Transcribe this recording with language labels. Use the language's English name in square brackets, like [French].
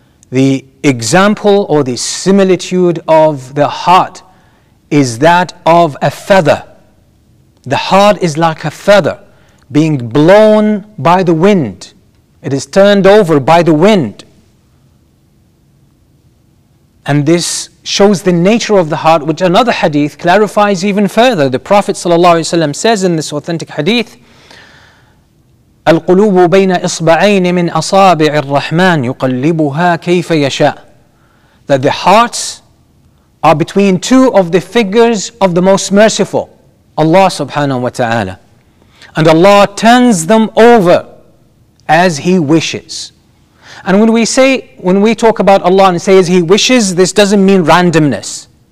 [English] The example or the similitude of the heart is that of a feather. The heart is like a feather being blown by the wind. It is turned over by the wind. And this shows the nature of the heart, which another hadith clarifies even further. The Prophet ﷺ says in this authentic hadith, [Arabic] القلوب بين إصبعين من أصابع الرحمن يقلبها كيف يشاء. [English] That the hearts are between two of the fingers of the Most Merciful, Allah subhanahu wa ta'ala. And Allah turns them over as He wishes. And when we say, when we talk about Allah and say as He wishes, this doesn't mean randomness.